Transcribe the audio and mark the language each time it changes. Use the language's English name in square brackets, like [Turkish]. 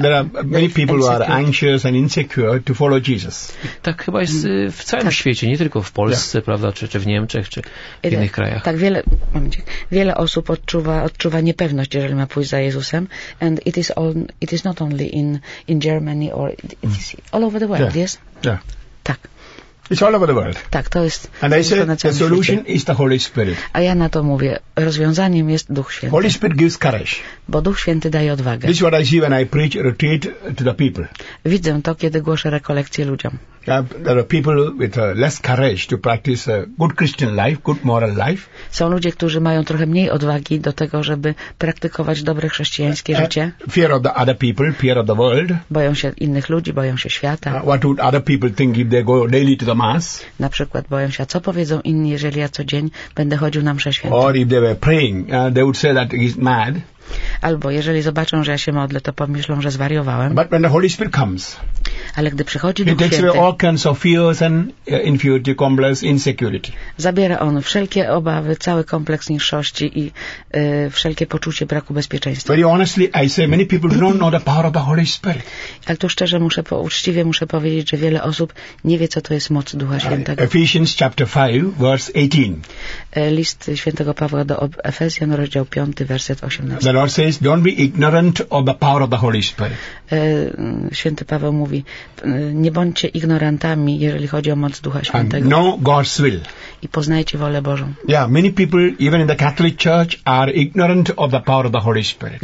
[English] There are many people who are anxious and insecure to follow Jesus. [Polish] Tak chyba jest w całym świecie, nie tylko w Polsce, prawda, czy w Niemczech, czy w innych krajach. Tak, wiele osób odczuwa niepewność, jeżeli ma pójść za Jezusem. [English] And it is not only in Germany or it is all over the world, yes? Yeah. [Polish] Tak. [English] It's all over the world. [Polish] Tak, to jest. [English] And I said the solution is the Holy Spirit. [Polish] A ja na to mówię, rozwiązaniem jest Duch Święty. [English] Holy Spirit gives courage. [Polish] Bo Duch Święty daje odwagę. [English] This is what I see when I preach retreat to the people. [Polish] Widzę to, kiedy głoszę rekolekcje ludziom. [English] There are people with less courage to practice a good Christian life, good moral life. [Polish] Są ludzie, którzy mają trochę mniej odwagi do tego, żeby praktykować dobre chrześcijańskie życie. [English] Fear of the other people, fear of the world. [Polish] Boją się innych ludzi, boją się świata. [English] What would other people think if they go daily to the mass? [Polish] Na przykład boją się, co powiedzą inni, jeżeli ja co dzień będę chodził na mszę świętą. [English] Or if they were praying, they would say that he's mad. [Polish] Albo jeżeli zobaczą, że ja się modlę, to pomyślą, że zwariowałem. [English] But when the Holy Spirit comes, [Polish] ale gdy przychodzi [English] Duch Święty, he takes away all kinds of fears and inferiority complex, insecurity. [Polish] Zabiera on wszelkie obawy, cały kompleks niższości i wszelkie poczucie braku bezpieczeństwa. [English] Very honestly, I say many people don't know the power of the Holy Spirit. [Polish] Ale tu szczerze uczciwie muszę powiedzieć, że wiele osób nie wie, co to jest moc Ducha Świętego. [English] Ephesians chapter 5, verse 18. [Polish] List Świętego Pawła do Efezjan, rozdział 5, werset 18. [English] The Lord says, don't be ignorant of the power of the Holy Spirit. [Polish] Święty Paweł mówi, nie bądźcie ignorantami, jeżeli chodzi o moc Ducha Świętego. [English] Know God's will. [Polish] I poznajcie wolę Bożą. [English] Yeah, many people, even in the Catholic Church, are ignorant of the power of the Holy Spirit.